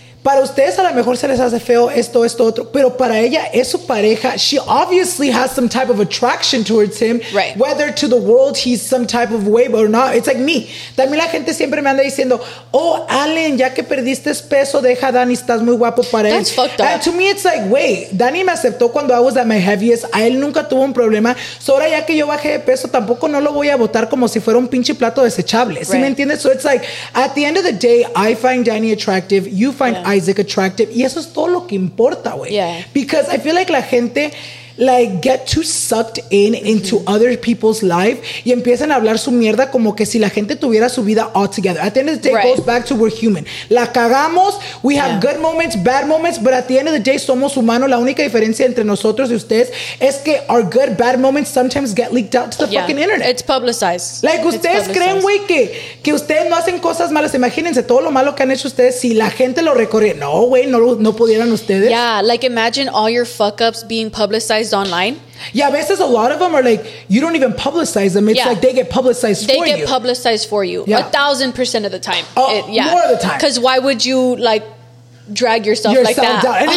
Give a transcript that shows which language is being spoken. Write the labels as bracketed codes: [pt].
[es] Para ustedes a lo mejor se les hace feo esto, esto, otro. Pero para ella es su pareja. [en] She obviously has some type of attraction towards him. Right. Whether to the world he's some type of way or not. It's like me. [es] También la gente siempre me anda diciendo, oh, Allen, ya que perdiste peso, deja a Dani, estás muy guapo para [en] él. That's fucked up. And to me, it's like, wait, Dani [es] me aceptó cuando [en] I was at my heaviest. [es] A él nunca tuvo un problema. So ahora ya que yo bajé de peso, tampoco no lo voy a botar como si fuera un pinche plato desechable. Right. ¿Sí me entiendes? [en] So it's like, at the end of the day, I find Dani attractive. You find Isaac attractive, [es] y eso es todo lo que importa, güey. [en] Because I feel like la gente like get too sucked in into other people's life, [es] y empiezan a hablar su mierda como que si la gente tuviera su vida [en] all together. At the end of the day, it goes back to we're human. [es] La cagamos, [en] we have good moments, bad moments, but at the end of the day, [es] somos humanos. La única diferencia entre nosotros y ustedes es que [en] our good, bad moments sometimes get leaked out to the fucking internet. It's publicized. [es] Like, ustedes creen, güey, que ustedes no hacen cosas malas. Imagínense todo lo malo que han hecho ustedes si la gente lo recorre. No, güey, no pudieran ustedes. [en] Yeah, like, imagine all your fuck-ups being publicized online. Yeah, but it says a lot of them are like, you don't even publicize them. It's like they get publicized for you. They get publicized for you. 1,000% of the time. Oh, more of the time. Because why would you like drag yourself like that